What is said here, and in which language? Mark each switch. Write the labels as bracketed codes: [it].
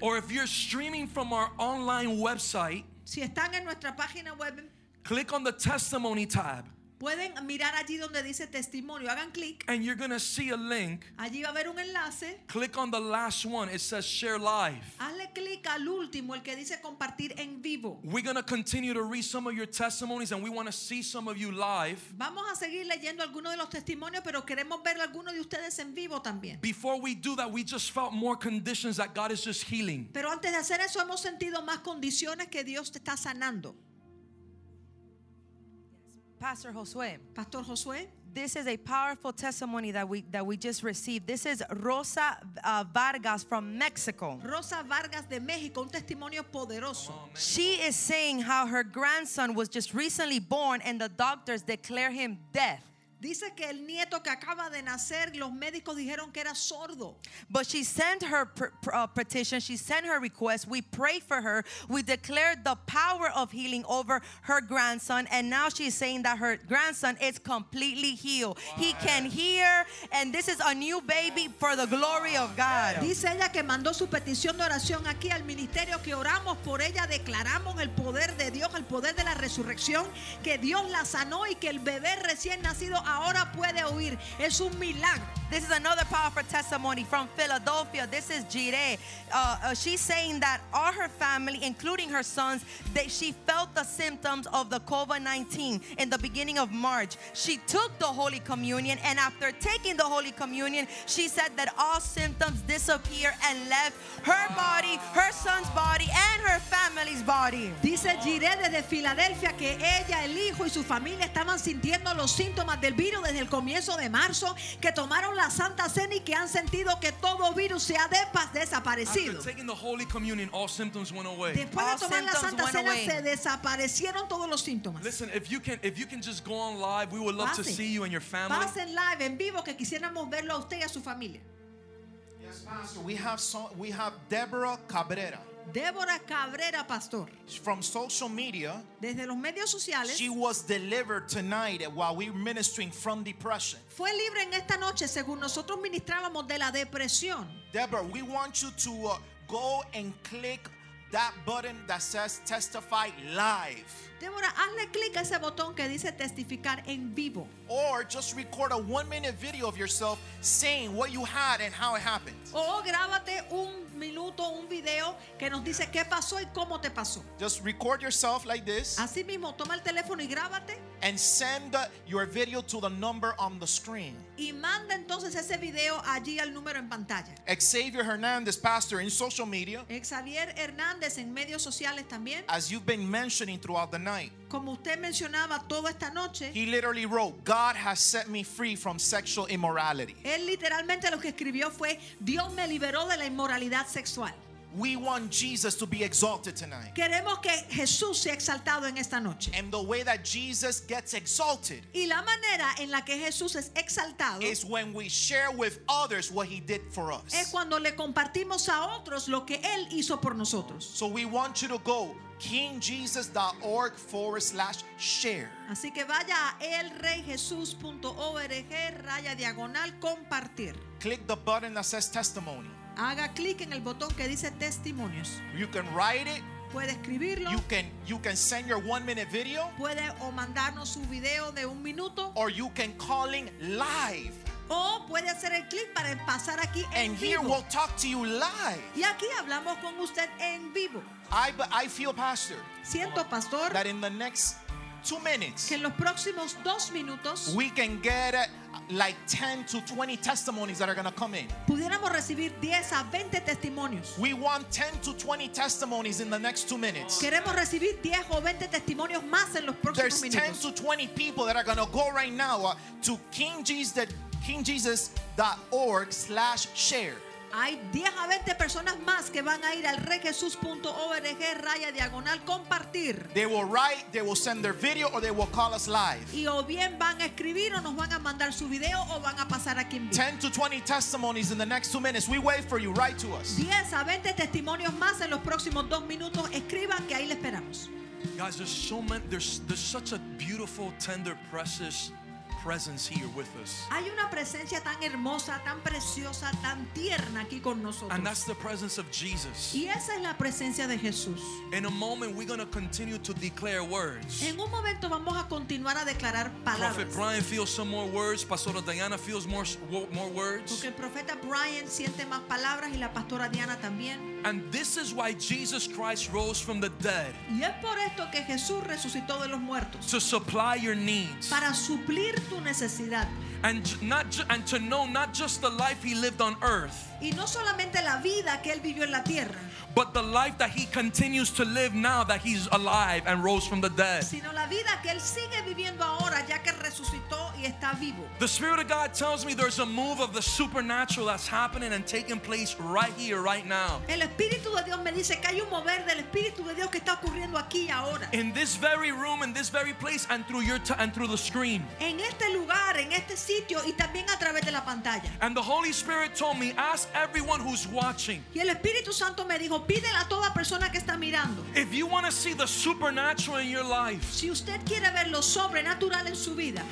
[en] Or if you're streaming from our online website, [es] si están en nuestra página web, [en] click on the testimony tab. [es] Pueden mirar allí donde dice testimonio, hagan clic. [en] And you're going to see a link. [es] Allí va a haber un enlace. [en] Click on the last one, it says share live. [es] Hazle clic al último, el que dice compartir en vivo. [en] We're going to continue to read some of your testimonies and we want to see some of you live. [es] Vamos a seguir leyendo algunos de los testimonios, pero queremos ver algunos de ustedes en vivo también. [en] Before we do that, we just felt more conditions that God is just healing. [es] Pero antes de hacer eso hemos sentido más condiciones que Dios te está sanando. [en] Pastor Josué. [es] Pastor Josué. [en] This is a powerful testimony that we just received. This is Rosa Vargas from Mexico. [es] Rosa Vargas de México, un testimonio poderoso. Oh, [en] she is saying how her grandson was just recently born and the doctors declare him deaf. [es] Dice que el nieto que acaba de nacer, los médicos dijeron que era sordo. [en] But she sent her petition, she sent her request. We pray for her. We declare the power of healing over her grandson. And now she's saying that her grandson is completely healed. Wow. He can hear, and this is a new baby for the glory of God. [es] Dice ella que mandó su petición de oración aquí al ministerio, que oramos por ella, declaramos el poder de Dios, el poder de la resurrección, que Dios la sanó y que el bebé recién nacido ahora puede oír. Es un milagro. [en] This is another powerful testimony from Philadelphia. This is Jire. She's saying that all her family, including her sons, that she felt the symptoms of the COVID-19 in the beginning of March. She took the Holy Communion, and after taking the Holy Communion, she said that all symptoms disappeared and left her body, her son's body, and her family's body. [es] Dice Jire desde Filadelfia que ella, el hijo y su familia estaban sintiendo los síntomas del virus desde el comienzo de marzo, que tomaron la Santa Cena y que han sentido que todo virus se ha desaparecido. [en] After taking the Holy Communion, all symptoms went away. [es] Después [en] all [es] de tomar la Santa Cena, se desaparecieron todos los síntomas. [en] Listen, if you can just go on live, we would love [es] Pase. [en] To see you and your family. [es] Pasen live, en vivo, que quisiéramos verlo a usted y a su familia. [en] Yes, Pastor. We have Deborah Cabrera. [es] Deborah Cabrera, Pastor. [en] From social media. [es] Desde los medios sociales. [en] She was delivered tonight while we were ministering from depression. [es] Fue libre en esta noche según nosotros ministrábamos de la depresión. [en] Deborah, we want you to go and click that button that says testify live. [es] Deborah, hazle click a ese botón que dice testificar en vivo. [en] Or just record a 1-minute video of yourself saying what you had and how it happened. [es] O grábate un minuto, un video que nos dice qué pasó y cómo te pasó. [en] Just record yourself like this. [es] Así mismo, toma el teléfono y grábate. [en] And send your video to the number on the screen. [es] Y manda entonces ese video allí al número en pantalla. [en] Xavier Hernandez, Pastor, in social media. [es] Xavier Hernandez en medios sociales también. [en] As you've been mentioning throughout the night. [es] Como usted mencionaba toda esta noche. [en] He literally wrote, God has set me free from sexual immorality. [es] Él literalmente lo que escribió fue, Dios me liberó de la inmoralidad sexual. [en] We want Jesus to be exalted tonight. [es] Queremos que Jesús sea exaltado en esta noche. [en] And the way that Jesus gets exalted. [es] Y la manera en la que Jesús es exaltado. [en] Is when we share with others what he did for us. [es] Es cuando le compartimos a otros lo que él hizo por nosotros. [en] So we want you to go kingjesus.org/share. [es] Así que vaya a elreyjesus.org/compartir. [en] Click the button that says testimony. [es] Haga clic en el botón que dice testimonios. [en] You can write it. [es] Puede escribirlo. [en] You can send your 1-minute video. [es] Puede o mandarnos un video de un minuto. [en] Or you can call in live. [es] O puede hacer el clic para pasar aquí en [en] and [es] vivo. [en] And here we'll talk to you live. [es] Y aquí hablamos con usted en vivo. [en] I feel, Pastor. [es] Siento, Pastor. [en] That in the next 2 minutes. [es] Que en los próximos 2 minutos. [en] We can get like 10 to 20 testimonies that are going to come in. [es] Pudiéramos recibir 10 a 20 testimonios. [en] We want 10 to 20 testimonies in the next 2 minutes. [es] Queremos recibir 10 o 20 testimonios más en los próximos [en] There's [es] minutos. [en] There's 10 to 20 people that are going to go right now to kingjesus.org/share. [es] Hay 10 a 20 personas más que van a ir al reyjesus.org/compartir. [en] They will write, they will send their video, or they will call us live. [es] Y o bien van a escribir o nos van a mandar su video o van a pasar aquí en vivo. [en] 10 to 20 testimonies in the next 2 minutes. We wait for you. Write to us. [es] 10 a 20 testimonios más en los próximos 2 minutos. Escriban que ahí le esperamos. [en] Guys, there's such a beautiful, tender, precious presence here with us. [es] Hay una presencia tan hermosa, tan preciosa, tan tierna aquí con nosotros. [en] And that's the presence of Jesus. [es] Y esa es la presencia de Jesús. [en] In a moment, we're going to continue to declare words. [es] En un momento vamos a continuar a declarar palabras. [en] Prophet Brian feels some more words. Pastora Diana feels more words. [es] Porque el profeta Brian siente más palabras y la pastora Diana también. [en] And this is why Jesus Christ rose from the dead. [es] Y es por esto que Jesús resucitó de los muertos. [en] To supply your needs. [es] Para suplir tu necesidad. [en] And to know not just the life he lived on earth. [es] Y no solamente la vida que él vivió en la tierra. [en] But the life that he continues to live now that he's alive and rose from the dead. [es] Sino la vida que él sigue viviendo ahora ya que resucitó y está vivo. [en] The Spirit of God tells me there's a move of the supernatural that's happening and taking place right here, right now. [es] El Espíritu de Dios me dice que hay un mover del Espíritu de Dios que está ocurriendo aquí y ahora. [en] In this very room, in this very place, and through your and through the screen. [es] En este lugar, en este sitio, y también a través de la pantalla. [en] And the Holy Spirit told me, ask everyone who's watching. [es] Y el Espíritu Santo me dijo, pídele a toda persona que está mirando. [en] If you want to see the supernatural in your life. [es] Si usted quiere ver lo sobrenatural en su vida.